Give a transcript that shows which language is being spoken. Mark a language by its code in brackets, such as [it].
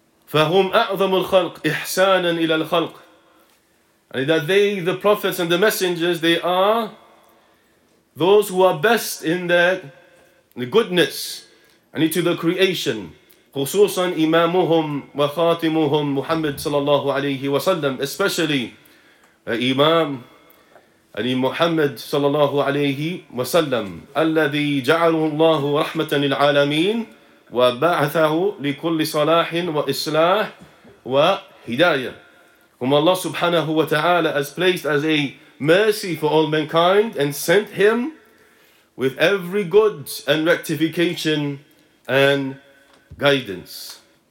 [ar] فَهُمْ أَعْظَمُ الْخَلْقِ إِحْسَانًا إِلَى الْخَلْقِ. [en] And that they, the prophets and the messengers, they are those who are best in their goodness and into the creation. [ar] خُصُوصًا إِمَامُهُمْ وَخَاتِمُهُمْ مُحَمَّدٍ صَلَى اللَّهُ عَلَيْهِ وَسَلَّمْ. [en] Especially Imam Ali Muhammad [ar] صلى الله عليه وسلم الذي جعله الله رحمة للعالمين وبعثه لكل صلاح وإصلاح وهداية. [en] Whom Allah subhanahu wa ta'ala has placed as a mercy for all mankind and sent him with every good and rectification and guidance.